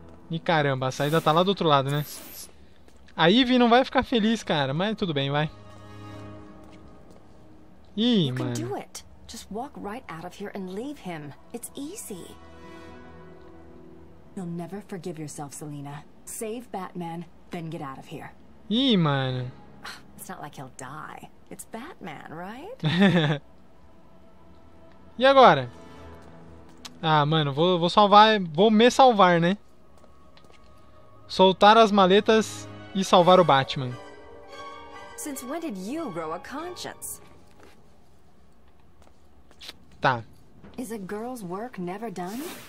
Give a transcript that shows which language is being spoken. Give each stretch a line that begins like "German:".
Portuguese: E caramba, a saída tá lá do outro lado, né? A Eve não vai ficar feliz, cara, mas tudo bem, vai. Ih, mano. Você pode fazer isso. Só ir direto daqui e deixar ele. É fácil. Você nunca vai se perdoar, Celina.
English: Save Batman, then get out of here.
Portuguese: Ih, mano.
English: It's not like he'll die. It's Batman, right?
Portuguese: E agora? Ah, mano, vou salvar, vou me salvar, né? Soltar as maletas e salvar o Batman.
English: Since when did you grow a conscience?
Portuguese: Tá.
English: Is a girl's work never done?